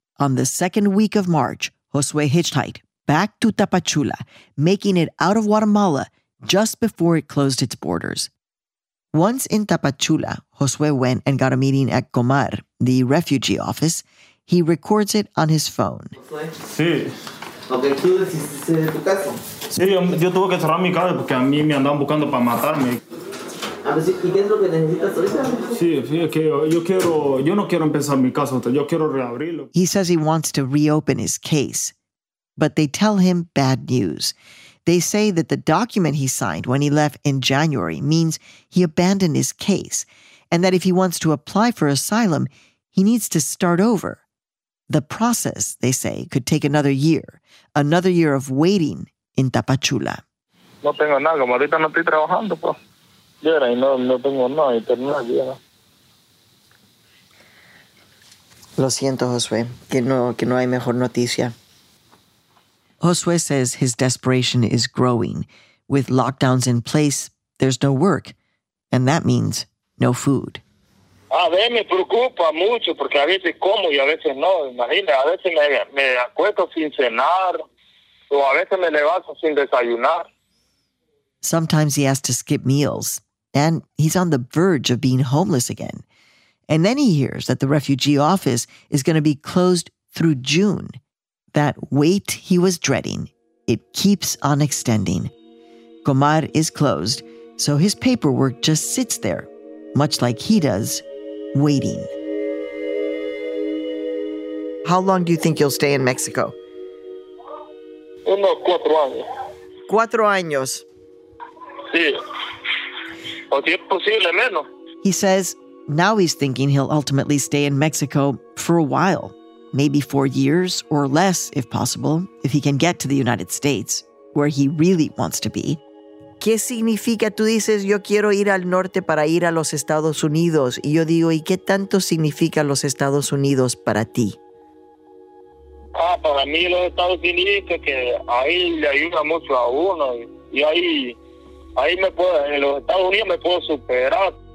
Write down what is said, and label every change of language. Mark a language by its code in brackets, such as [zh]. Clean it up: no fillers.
[en] On the second week of March, Josue hitchhiked back to Tapachula, making it out of Guatemala just before it closed its borders. Once in Tapachula, Josue went and got a meeting at Comar, the refugee office. He records it on his phone. [es] Sí. Okay, tú decidiste tu caso. Sí, yo tuve que cerrar mi casa porque a mí me andaban buscando para matarme. ¿Y qué es lo que necesitas ahorita? Sí, es que yo no quiero empezar mi caso, yo quiero reabrirlo. [en] He says he wants to reopen his case, but they tell him bad news. They say that the document he signed when he left in January means he abandoned his case, and that if he wants to apply for asylum, he needs to start over. The process, they say, could take another year of waiting in Tapachula. [es] No tengo nada, como ahorita no estoy trabajando, pues. Yo era y no tengo nada, internet, ya. Lo siento, Josue, que no hay mejor noticia. [en] Josue says his desperation is growing. With lockdowns in place, there's no work, and that means no food. A veces me preocupa mucho porque a veces como y a veces no. Imagínate, a veces me acuesto sin cenar o a veces me levanto sin desayunar. Sometimes he has to skip meals, and he's on the verge of being homeless again. And then he hears that the refugee office is going to be closed through June. That wait he was dreading, it keeps on extending. Comar is closed, so his paperwork just sits there, much like he does, waiting. How long do you think you'll stay in Mexico? [es] Unos 4 años. 4 años. Sí. O si es posible, menos. [en] He says now he's thinking he'll ultimately stay in Mexico for a while. Maybe 4 years or less, if possible, if he can get to the United States, where he really wants to be. [es] ¿Qué significa? Tú dices, yo quiero ir al norte para ir a los Estados Unidos. Y yo digo, ¿y qué tanto significa los Estados Unidos para ti? Ah, para mí los Estados Unidos, que ahí le ayuda mucho a uno. Y ahí me puedo, en los Estados Unidos me puedo superar.